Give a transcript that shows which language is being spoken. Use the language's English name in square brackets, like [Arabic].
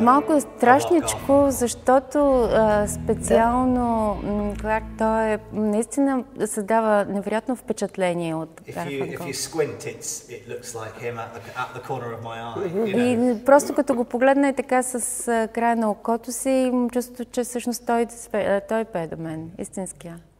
[Bulgarian] малко страшничко, защото специално Кларк, той наистина създава невероятно впечатление от Гарфанкъл. [English] If you squint, it looks like him at the corner of my eye. [Bulgarian] И просто като го погледна и така с края на окото си, чувство, че всъщност той пее до мен, истинския.